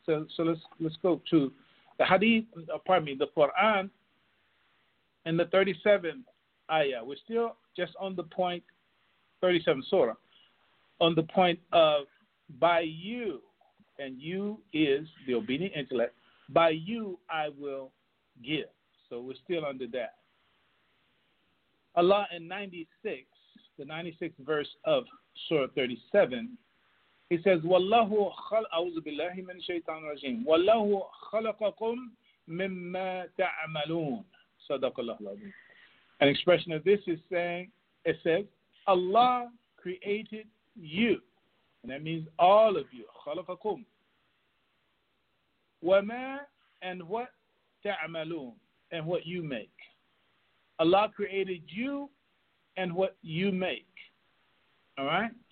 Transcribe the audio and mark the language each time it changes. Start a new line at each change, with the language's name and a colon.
English: So let's go to the hadith. Pardon me, the Quran, and the 37th ayah. We're still just on the point, 37th surah. On the point of "by you," and "you" is the obedient intellect, by you I will give. So we're still under that. Allah in 96, the 96th verse of Surah 37, he says,
Arabic: وَاللَّهُ خَلَقَ أَعُوذُ بِاللَّهِ مِنْ شَيْطَانِ الرَّجِيمِ وَاللَّهُ خَلَقَكُمْ مِمَّا تَعْمَلُونَ صَدَقَ اللَّهُ الْعَظِيمُ.
English: An expression of this is saying, it says, Allah created you. And that means all of you.
Arabic: خَلَقَكُمْ وَمَا
English: and what
Arabic: تَعْمَلُونَ
English: and what you make. Allah created you and what you make. All right?